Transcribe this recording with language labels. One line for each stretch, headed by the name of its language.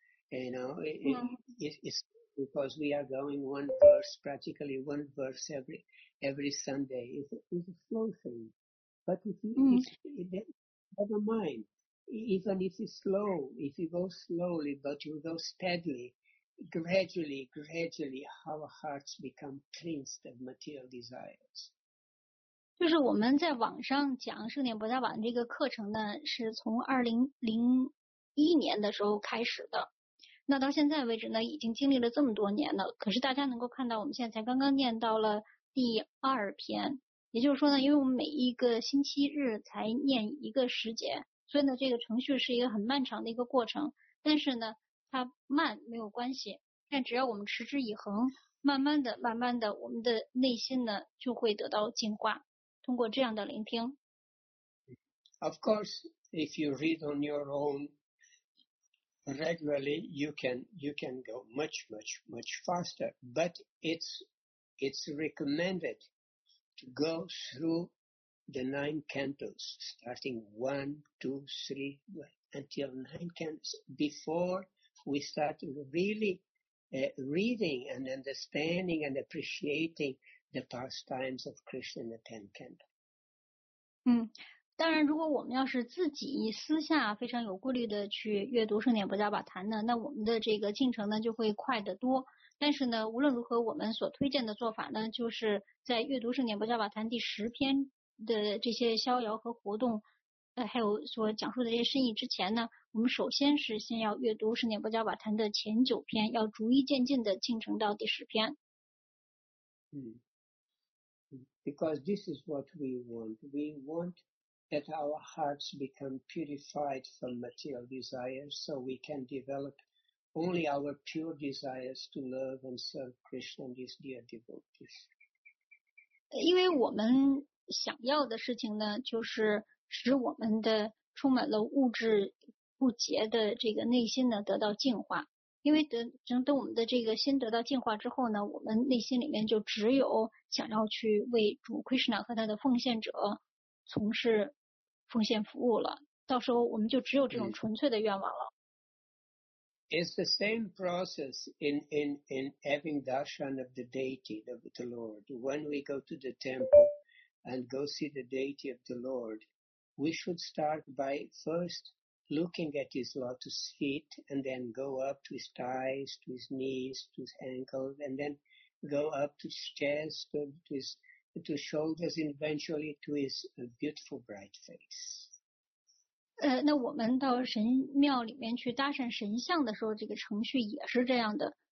English: You know, it's because we are going one verse, practically one verse every Sunday. It's a slow thing. But if you, never mind, even if it's slow, if you go slowly, but you go steadily, gradually, our hearts become cleansed of material desires.
Chinese: 就是我们在网上讲圣典菩萨网这个课程呢，是从2001年的时候开始的。那到现在为止呢，已经经历了这么多年了。可是大家能够看到，我们现在才刚刚念到了第二篇。也就是说呢，因为我们每一个星期日才念一个时节，所以呢，这个程序是一个很漫长的一个过程。但是呢，它慢没有关系，但只要我们持之以恒，慢慢的，我们的内心呢就会得到净化，通过这样的聆听。
English: Of course, if you read on your own regularly, you can go much faster. But it's recommended to go through the 9 cantos, starting 1, 2, 3, until 9 cantos before we start really reading and understanding and appreciating the pastimes of Krishna in the 10 canto.
Chinese: 当然如果我们要是自己私下非常有规律的去阅读圣典菩萨瓦坛呢，那我们的这个进程呢就会快得多。但是呢，无论如何，我们所推荐的做法呢，就是在阅读圣典菩萨瓦坛第10篇的这些逍遥和活动还有所讲述的这些深意之前呢，我们首先是先要阅读圣典菩萨瓦坛的前9篇，要逐一渐进的进程到第10篇。
English: Because this is what we want. We want that our hearts become purified from material desires so we can develop only our pure desires to love and serve Krishna and his dear devotees.
Chinese: 因为我们想要的事情呢，就是使我们的充满了物质不洁的这个内心呢得到净化。因为等我们的这个心得到净化之后呢，我们内心里面就只有想要去为主 Krishna 和他的奉献者从事奉献服务了，到时候我们就只有这种纯粹的愿望了。
English: It's the same process in having darshan of the deity of the Lord. When we go to the temple and go see the deity of the Lord, we should start by first looking at his lotus feet and then go up to his thighs, to his knees, to his ankles, and then go up to his chest, to his shoulders, and eventually to his beautiful bright face.
Chinese: 那我们到神庙里面去搭讪神像的时候，这个程序也是这样的。